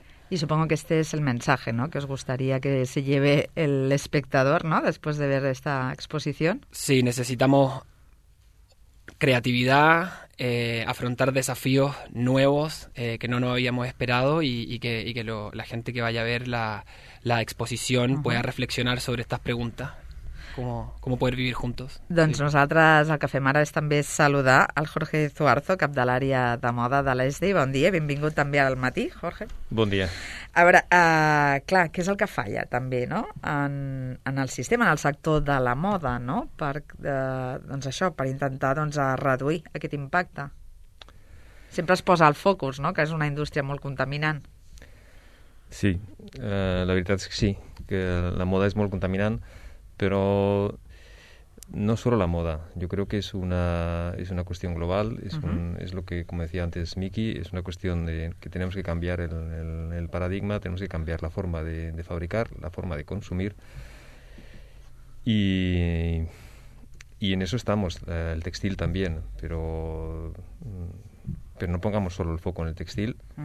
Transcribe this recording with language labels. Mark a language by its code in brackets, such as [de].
[es] Y supongo que este es el mensaje, ¿no?, que os gustaría que se lleve el espectador, ¿no?, después de ver esta exposición. Sí, necesitamos creatividad, afrontar desafíos nuevos que no nos habíamos esperado y que la gente que vaya a ver la exposición pueda reflexionar sobre estas preguntas. Com poder vivir juntos. [ca] Doncs nosaltres el que fem ara és també saludar al Jorge Zuarzo, cap de l'àrea de moda de l'ESDI. Bon dia, benvingut també al matí, Jorge. Bon dia. A veure, clar, què és el que falla també, no?, en el sistema, en el sector de la moda, no?, per intentar reduir aquest impacte. Sempre es posa el focus, no?, que és una indústria molt contaminant. Sí, la veritat és que sí, que la moda és molt contaminant, però [es] no solo [ca] la moda. [es] Yo creo que es una cuestión global, es lo que, como decía antes Miki, es una cuestión de que tenemos que cambiar el paradigma, tenemos que cambiar la forma de fabricar, la forma de consumir. Y en eso estamos, el textil también, pero no pongamos solo el foco en el textil.